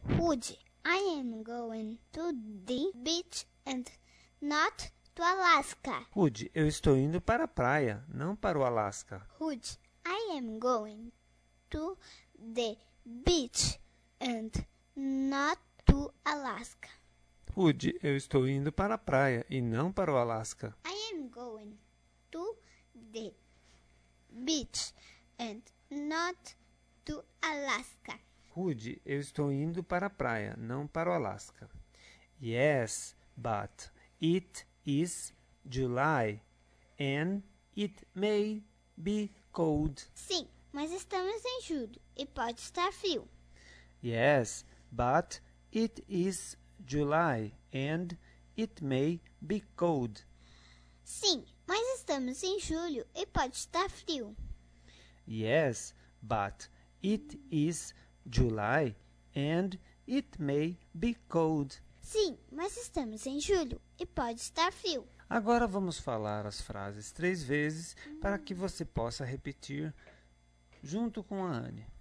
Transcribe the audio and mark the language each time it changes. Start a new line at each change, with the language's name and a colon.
English: Rude, I am going to the beach and not to Alaska.
Portuguese: Rude, eu estou indo para a praia, não para o Alaska.
English: Rude, I am going to the beach and not to Alaska.
Portuguese: Rude, eu estou indo para a praia e não para o Alaska.
English: I am going to the beach and not to Alaska.
Portuguese: Rude, eu estou indo para a praia, não para o Alaska.
English: Yes, but it is July and it may be cold.
Portuguese: Sim, mas estamos em julho e pode estar frio.
English: Yes, but it is July and it may be cold.
Portuguese: Sim, mas estamos em julho e pode estar frio.
English: Yes, but it is July and it may be cold.
Portuguese: Sim, mas estamos em julho e pode estar frio. Agora vamos falar as frases três vezes para que você possa repetir junto com a Anne.